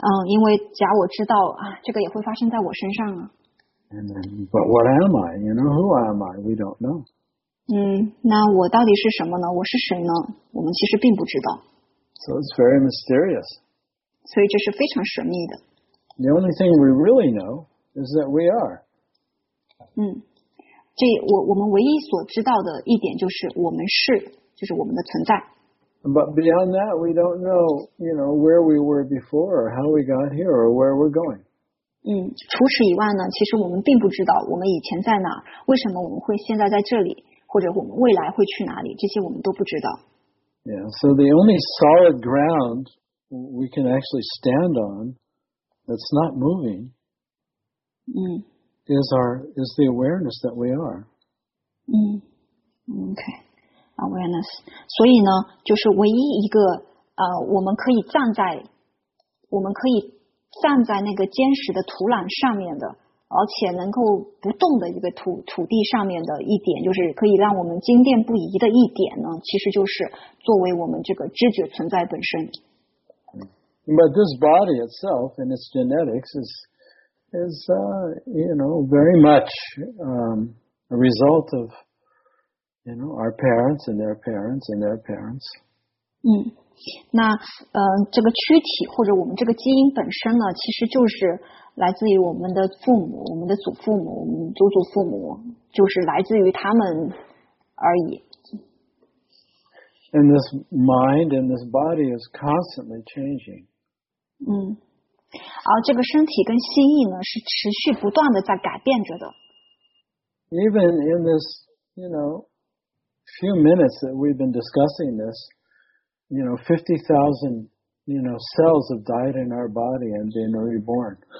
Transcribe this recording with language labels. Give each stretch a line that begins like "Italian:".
Chinese: 因为假我知道啊，这个也会发生在我身上啊。
English: But what am I? You know, who am I? We don't know.
Chinese: 那我到底是什么呢？我是谁呢？我们其实并不知道。
English: So it's very mysterious.
Chinese: 所以这是非常神秘的。
English: The only thing we really know is that we are.
Chinese: 这我们唯一所知道的一点就是我们是，就是我们的存在。
English: But beyond that, we don't know, you know, where we were before, or how we got here, or where we're going.
Chinese: 除此以外呢，其实我们并不知道我们以前在哪，为什么我们会现在在这里，或者我们未来会去哪里，这些我们都不知道。
English: Yeah, so the only solid ground we can actually stand on that's not moving is the awareness that we are. Okay. Awareness.
Chinese: 所以呢，就是唯一一个我们可以站在那个坚实的土壤上面的，而且能够不动的一个土地上面的一点，就是可以让我们坚定不移的一点呢，其实就是作为我们这个知觉存在本身。
English: But this body itself and its genetics is very much a result of. You know, our parents and their parents and their parents.
Chinese: 那这个躯体或者我们这个基因本身呢，其实就是来自于我们的父母，我们的祖父母，我们祖祖父母，就是来自于他们而已。
English: And this mind and this body is constantly changing.
Chinese: 而这个身体跟心意呢，是持续不断的在改变着的。
English: Even in this, you know,few minutes that we've been discussing this, you know, 50,000, you know, cells have died in our body and been reborn.